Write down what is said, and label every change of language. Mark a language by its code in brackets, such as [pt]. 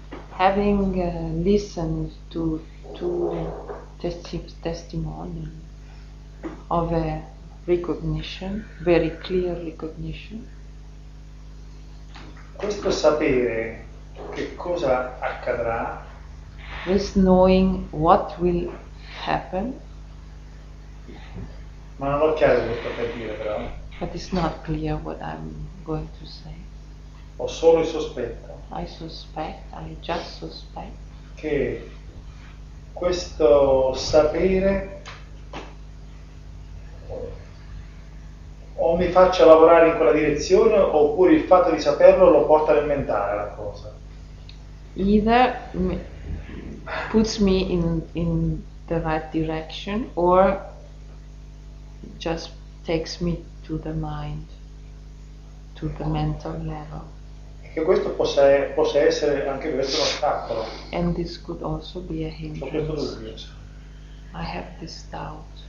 [en] Having listened to two testimonies of a recognition, very clear recognition. [it] Questo sapere che cosa accadrà. [en] This knowing what will happen. [it] Ma non ho chiaro cosa per dire però. [en] But it's not clear what I'm going to say. [it] Ho solo il sospetto. [en] I just suspect. [it] Che questo sapere o mi faccia lavorare in quella direzione, oppure il fatto di saperlo lo porta nel mentale la cosa. [en] Either puts me in the right direction or just takes me to the mind, to the mental level. [it] E che questo possa essere anche questo un ostacolo. [en] And this could also be a hindrance. I have this doubt.